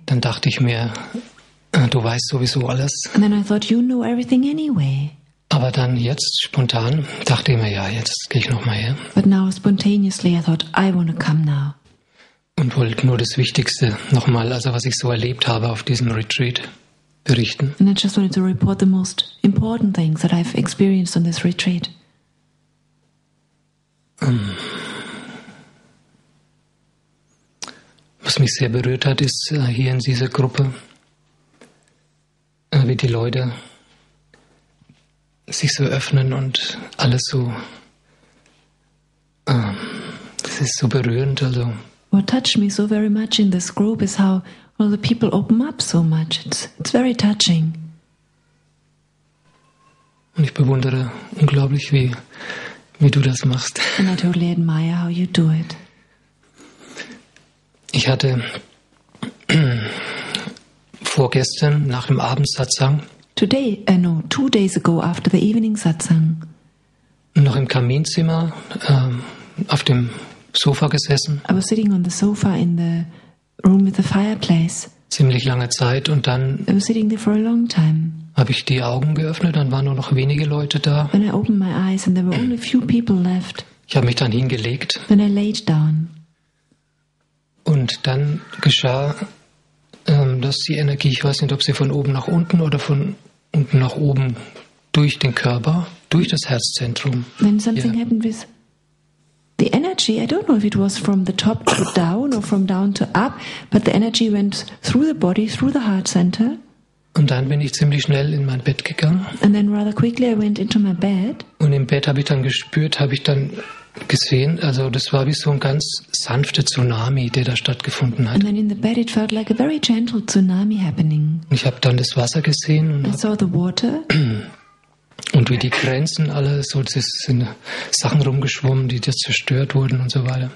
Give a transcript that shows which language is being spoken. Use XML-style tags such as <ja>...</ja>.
<de>Dann dachte ich mir, du weißt sowieso alles.</de> <en>And then I thought you knew everything anyway.</en> <de>Aber dann jetzt spontan dachte ich mir, ja, jetzt gehe ich nochmal her.</de> <en>But now spontaneously I thought I want to come now.</en> <de>Und wollte nur das Wichtigste nochmal, also was ich so erlebt habe auf diesem Retreat, berichten.</de> <en>And I just wanted to report the most important things that I've experienced on this retreat.</en> <de>Was mich sehr berührt hat, ist hier in dieser Gruppe, wie die Leute sich so öffnen und alles so. Das ist so berührend, also.</de> <en>What touched me so very much in this group is how all the people open up so much. It's very touching.</en> <de>Und ich bewundere unglaublich, wie du das machst.</de> <en>And I totally admire how you do it.</en> <de>Ich hatte vorgestern nach dem Abendsatsang.</de> <en>Today, no, 2 days ago after the evening satsang.</en> <de>Noch im Kaminzimmer, auf dem Sofa gesessen.</de> <en>I was sitting on the sofa in the room with the fireplace.</en> <de>Ziemlich lange Zeit und dann.</de> <en>I was sitting there for a long time.</en> <de>Habe ich die Augen geöffnet, dann waren nur noch wenige Leute da.</de> <en>When I opened my eyes and there were only a few people left.</en> <de>Ich habe mich dann hingelegt.</de> <en>When I laid down.</en> <de>Und dann geschah, dass die Energie, ich weiß nicht, ob sie von oben nach unten oder von unten nach oben durch den Körper, durch das Herzzentrum.</de> <en>When something happened with the energy, I don't know if it was from the top to down or from down to up, but the energy went through the body, through the heart center.</en> <de>Und dann bin ich ziemlich schnell in mein Bett gegangen.</de> <en>And then rather quickly I went into my bed.</en> <de>Und im Bett habe ich dann gespürt, habe ich dann gesehen, also das war wie so ein ganz sanfter Tsunami, der da stattgefunden hat.</de> <en>And then in the bed it felt like a very gentle tsunami happening.</en> <de>Ich habe dann das Wasser gesehen.</de> <en>I saw the water.</en> <de>Und wie die Grenzen alle, so das sind Sachen rumgeschwommen, die jetzt zerstört wurden und so weiter.</de>